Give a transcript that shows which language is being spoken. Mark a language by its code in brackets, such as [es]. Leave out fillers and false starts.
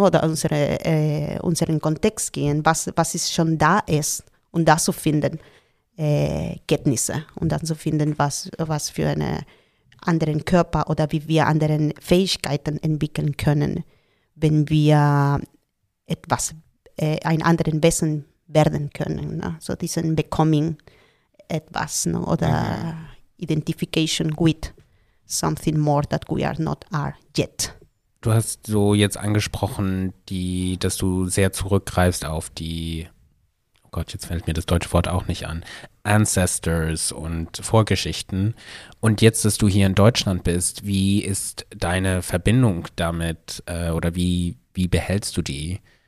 [de] Oder unseren Kontext gehen, was ist schon da ist, und da zu finden Kenntnisse und dann zu finden, was für einen anderen Körper oder wie wir anderen Fähigkeiten entwickeln können, wenn wir etwas, ein anderen Wesen werden können, ne? So diesen Becoming etwas, ne? [en] Oder Identification with something more that we are not are yet. [de] Du hast so jetzt angesprochen, dass du sehr zurückgreifst auf die, oh Gott, jetzt fällt mir das deutsche Wort auch nicht an, Ancestors und Vorgeschichten. Und jetzt, dass du hier in Deutschland bist, wie ist deine Verbindung damit oder wie behältst du die?